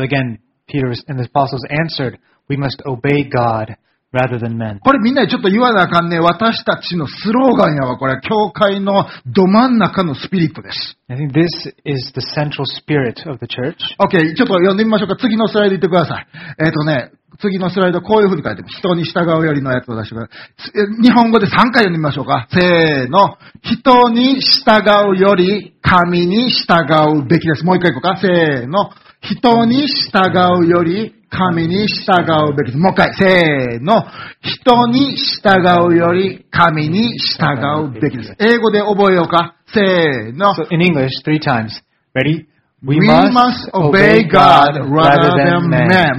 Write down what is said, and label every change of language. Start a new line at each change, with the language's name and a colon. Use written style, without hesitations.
English: So again, Peter and the apostles answered, we must obey God rather than men.
Japanese: これみんなちょっと言わなあかんね。私たちのスローガンやわ。これは教会のど真ん中のスピリットです。
English: I think this is the central spirit of the church.
Japanese: Okay, ちょっと読んでみましょうか。次のスライド行ってください。次のスライド、こういうふうに書いてます。人に従うよりのやつを出してください。日本語で3回読んでみましょうか。せーの。人に従うより神に従うべきです。もう一回行こうか。せーの。人に従うより神に従うべきです。もう一回。せーの。人に従うより神に従うべきです。英語で覚えようか。せーの。
English: So in English, three times. Ready? We must obey God rather than men.